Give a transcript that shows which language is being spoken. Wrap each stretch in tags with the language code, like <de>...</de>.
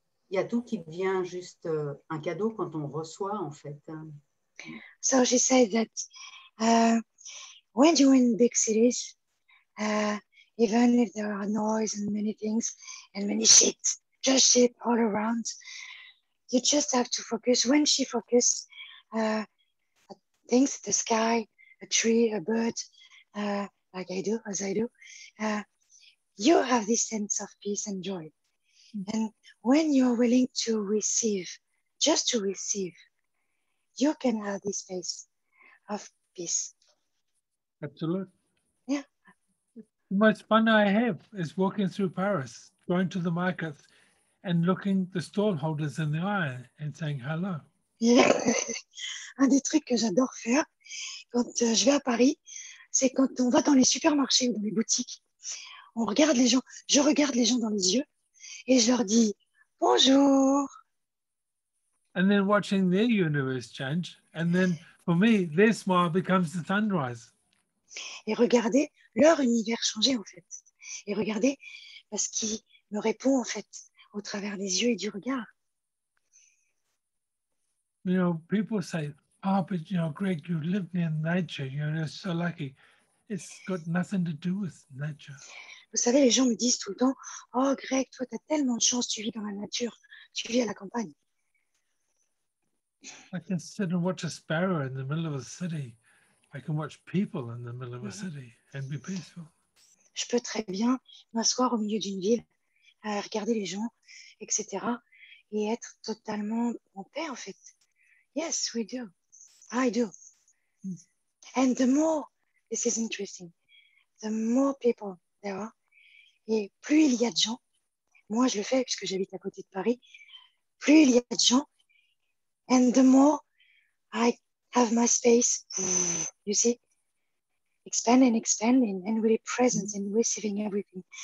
<fr>Il y a tout qui devient juste un cadeau quand on reçoit, en fait.</fr> <en>So she said that when you're in big cities, even if there are noise and many things and many shit, just shit all around, you just have to focus. When she focused, things, the sky, a tree, a bird, like I do, you have this sense of peace and joy. Mm-hmm. And when you're willing to receive, just to receive, you can have this space of peace. Absolutely. Yeah. The most fun I have is walking through Paris, going to the market and looking the stallholders in the eye and saying hello.</en> <fr>Un des trucs que j'adore faire quand je vais à Paris, c'est quand on va dans les supermarchés ou dans les boutiques, on regarde les gens, je regarde les gens dans les yeux et je leur dis bonjour.</fr> <en>And then watching their universe change, and then for me, their smile becomes the sunrise.</en> <fr>Et regarder leur univers changer en fait. Et regarder parce qu'il me répond en fait au travers des yeux et du regard.</fr> <en>You know, people say, oh, but you know, Greg, you live near nature, you're so lucky. It's got nothing to do with nature.</en> <fr>Vous savez, les gens me disent tout le temps, oh, Greg, toi, t'as tellement de chance, tu vis dans la nature, tu vis à la campagne.</fr> <en>I can sit and watch a sparrow in the middle of a city. I can watch people in the middle of a city and be peaceful.</en> <fr>Je peux très bien m'asseoir au milieu d'une ville, regarder les gens, etc., et être totalement en paix, en fait.</fr> <en>Yes, we do. I do. And the more, this is interesting, the more people there are,</en> <fr>et plus il y a de gens,</fr> <en>moi je le fais puisque j'habite à côté de Paris, plus il y a de gens, and the more I have my space, you see, expand and really present and receiving everything.</en>